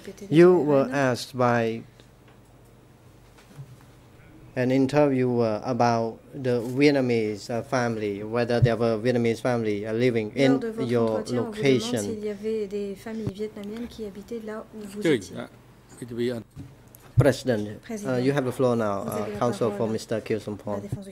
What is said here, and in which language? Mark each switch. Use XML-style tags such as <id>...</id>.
<en>You were asked by an interviewer about the Vietnamese family, whether there were Vietnamese family living</en> <fr>Lors</fr> <en>in your location.</en> <fr>S'il y avait des familles vietnamiennes qui habitaient là où vous étiez.</fr> <en>President, you have the floor now, counsel for Mr. Kieu Somphong.</en>